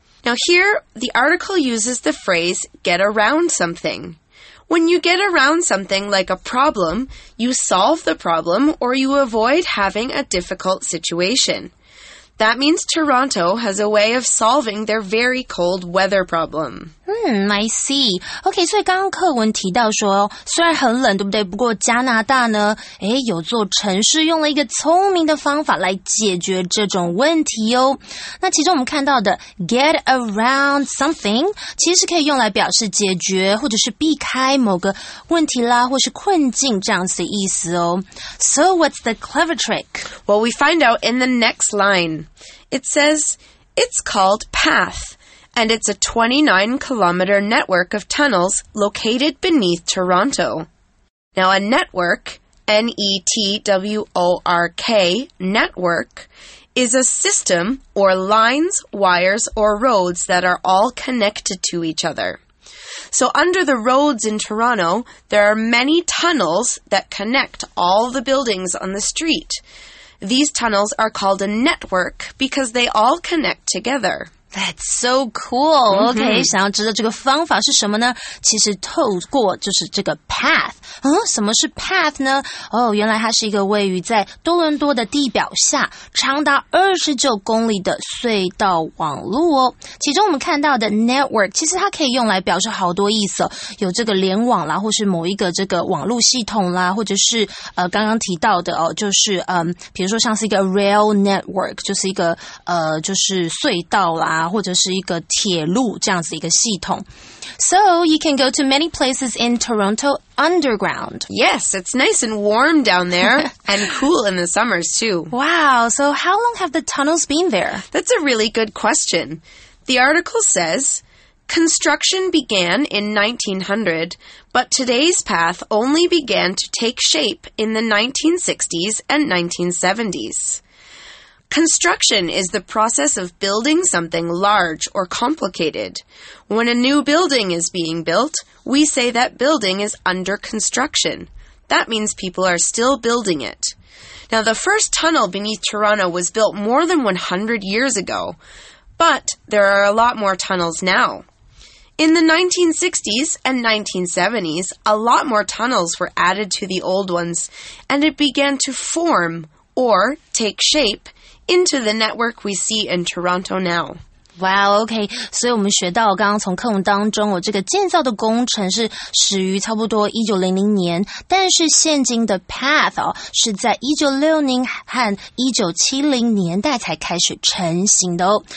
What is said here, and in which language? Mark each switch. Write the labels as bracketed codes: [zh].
[en] Now here, the article uses the phrase, get around something. When you get around something like a problem, you solve the problem or you avoid having a difficult situation. That means Toronto has a way of solving their very cold weather problem. I see. [zh] Okay, 所以刚刚课文提到说，虽然很冷，对不对？不过加拿大呢，诶，有座城市用了一个聪明的方法来解决这种问题哦。那其中我们看到的 [en] get around something， [zh] 其实可以用来表示解决或者是避开某个问题啦，或是困境这样子的意思哦。 [en] So what's the clever trick? Well, we find out in the next line. It says, it's called PATH, and it's a 29-kilometer network of tunnels located beneath Toronto. Now, a network, N-E-T-W-O-R-K, network, is a system or lines, wires, or roads that are all connected to each other. So under the roads in Toronto, there are many tunnels that connect all the buildings on the street. These tunnels are called a network because they all connect together. That's so cool. Okay,、mm-hmm. [zh] 想要知道这个方法是什么呢？其实透过就是这个 path。什么是 path 呢？原来它是一个位于在多伦多的地表下长达29公里的隧道网路哦。其中我们看到的 network， 其实它可以用来表示好多意思、哦、有这个联网啦，或是某一个这个网路系统啦，或者是刚刚提到的哦，就是比如说像是一个 [en] rail network， [zh] 就是一个就是隧道啦，或者是一个铁路这样子一个系统。 [en] So, you can go to many places in Toronto underground. Yes, it's nice and warm down there and cool in the summers too. Wow, so how long have the tunnels been there? That's a really good question. The article says, construction began in 1900, but today's path only began to take shape in the 1960s and 1970s. Construction is the process of building something large or complicated. When a new building is being built, we say that building is under construction. That means people are still building it. Now, the first tunnel beneath Toronto was built more than 100 years ago, but there are a lot more tunnels now. In the 1960s and 1970s, a lot more tunnels were added to the old ones, and it began to form or take shape. Into the network we see in Toronto now. Wow, okay. [zh] 所以我们学到刚刚从课文当中，这个建造的工程是始于差不多1900年，但是现今的 path 是在1960和1970年代才开始成型的哦。